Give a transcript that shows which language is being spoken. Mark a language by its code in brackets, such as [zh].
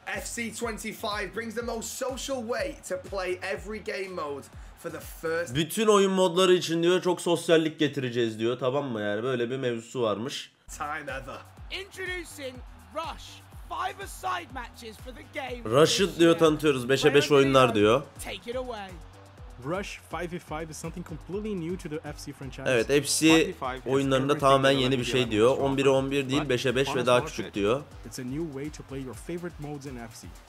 [en] FC 25 brings the most social way to play every game mode for the first. [tr] Bütün oyun modları için diyor çok sosyallik getireceğiz diyor, tamam mı, yani böyle bir mevzusu varmış. [en] Time ever. Introducing Rush. Five aside matches for the game. [tr] Rush'ı diyor tanıtıyoruz, 5'e 5 oyunlar diyor. [en] Take it away. Rush 5v5 is something completely new to the FC franchise. [tr] Evet, FC oyunlarında tamamen yeni bir şey diyor. 11'e 11 değil, 5'e 5 ve daha küçük diyor. [en] It's a new way to play your favorite modes in FC.